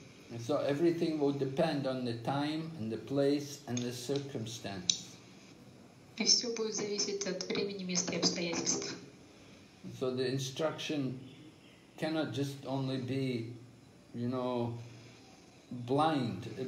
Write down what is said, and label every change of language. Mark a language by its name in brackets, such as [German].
[English] And so everything will depend on the time and the place and the circumstance. [Russian] И все будет зависеть от времени, места и обстоятельств. [English] So the instruction cannot just only be, you know, blind.